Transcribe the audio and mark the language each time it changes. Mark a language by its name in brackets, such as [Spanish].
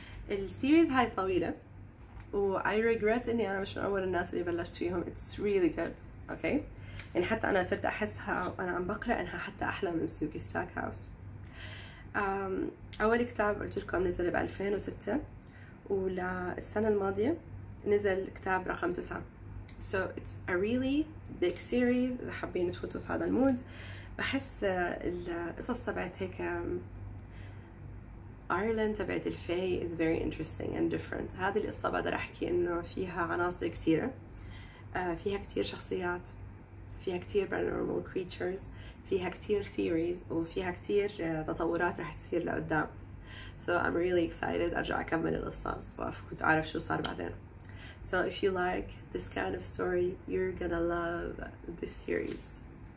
[Arabic] السيريز هاي طويلة و [English] I regret [Arabic] إني أنا مش من أول الناس اللي بلشت فيهم. [English] It's really good. Okay. [Arabic] يعني حتى انا صرت احسها وانا عم بقرا انها حتى احلى من سوق ستاك هاوس. اول كتاب قلت لكم نزل ب 2006، وللسنه الماضيه نزل كتاب رقم 9. [English] So it's a really big series. [Arabic] إذا حابين تفوتوا في هذا المود، بحس القصص تبعت هيك أيرلند تبعت الفاي [English] is very interesting and different. [Arabic] هذه القصة بقدر أحكي إنه فيها عناصر كثيرة، فيها كثير شخصيات، فيها كثير [English] paranormal creatures، [Arabic] فيها كثير theories، وفيها كثير تطورات رح تصير لقدام. [English] So I'm really excited [Arabic] أرجع أكمل القصة وأفوت أعرف شو صار بعدين. [English] So if you like this kind of story, you're gonna love this series.